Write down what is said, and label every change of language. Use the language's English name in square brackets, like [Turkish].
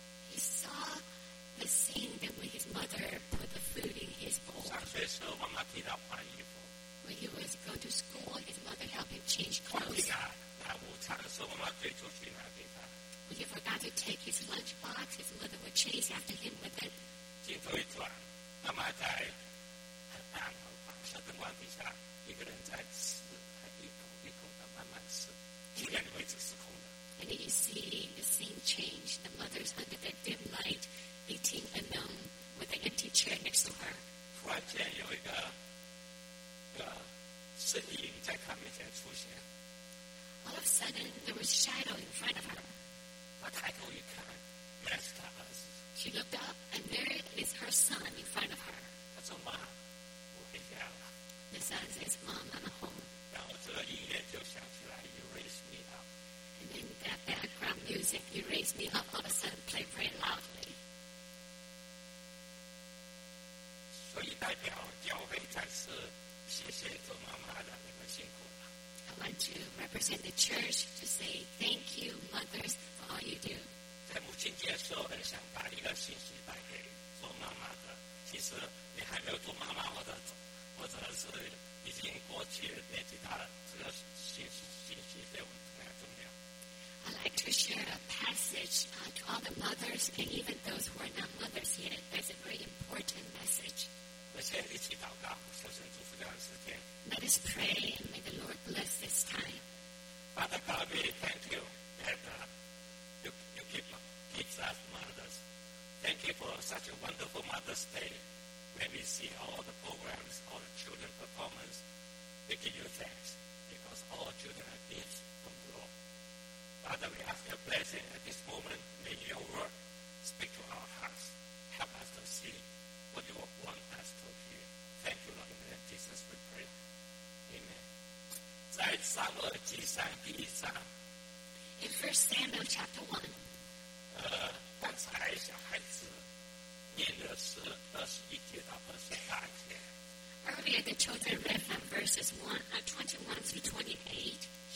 [English] He saw the scene that when his mother put the food in his bowl. When he was going to school, his mother helped him change clothes. When he forgot to take his lunch box, his mother would chase after him with it. [Chinese] 镜头一转，妈妈在很暗的黄色灯光底下，一个人在吃，还一口一口的慢慢吃，一个人位置是空的。 [English] And then you see the scene change. The mother's under the dim light, eating alone with an empty chair next to her. [Chinese] 突然间有一个身影在她面前出现。 [English] All of a sudden, there was shadow in front of her. [Chinese] 她抬头一看，原来是她儿子。 [English] She looked up, and there is her son in front of her. [Chinese] 她说：“妈，我回家了。” [English] The son says, "Mom, I'm home." [Chinese] 然后这个音乐就响起来 ， [English] You raise me up. And then that background music, "You raise me up," all of a sudden played very loudly. [Chinese] 所以代表教会再次谢谢做妈妈的你们辛苦了。 [English] I want to represent the church to say thank you, mothers. All you do. [Chinese] 在母亲节的时候，很想把一个信息带给做妈妈的。其实你还没有做妈妈，或者是已经过去年纪大了，这个信息对我们非常重要。 [English] I'd like to share a passage to all the mothers and even those who are not mothers yet. That's a very important message. [Chinese] 我先一起祷告，求神祝福这段时间。 [English] Let us pray and may the Lord bless this time. Father God, we thank you that. such a wonderful Mother's Day when we see all the programs, all the children performance. We give you thanks because all children are gifts from the Lord. Father, we ask your blessing at this moment. May your word speak to our hearts. Help us to see what you want us to hear. Thank you, Lord, in the name of Jesus, we pray. Amen. In 1 Samuel chapter 1. [Chinese] 刚才小孩子念的是21节到28节。 [English] Earlier, the children read from verses 21 through 28.